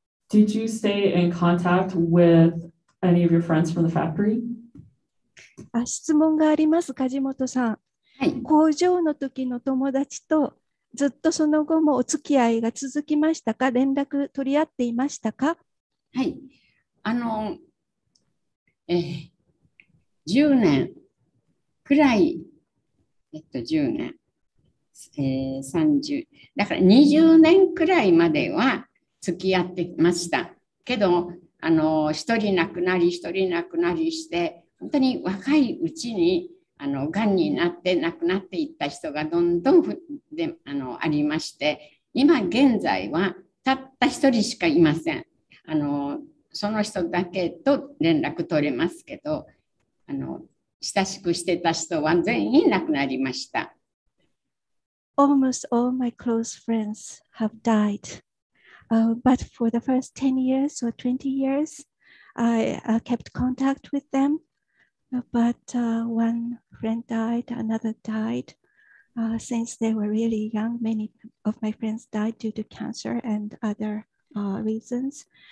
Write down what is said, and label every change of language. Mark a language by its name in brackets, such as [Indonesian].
[English] Did you stay in contact with any of your friends from the factory? [Japanese] 質問があります、梶本さん。工場の時の友達とずっとその後もお付き合いが続きましたか？連絡取り合っていましたか？はい、あの、10年くらい、10年、30、だから20年くらいまでは付き合ってましたけど、あの、一人亡くなり、一人亡くなりして、本当に若いうちに、あの、がんになって亡くなっていった人がどんどんあの、ありまして、今現在はたった一人しかいません。あの、その人だけと連絡取れますけど、あの、親しくしてた人は全員亡くなりました。 [English] Almost all my close friends have died. But for the first 10 years or 20 years, I kept contact with them. But one friend died, another died. Since they were really young, many of my friends died due to cancer and other reasons.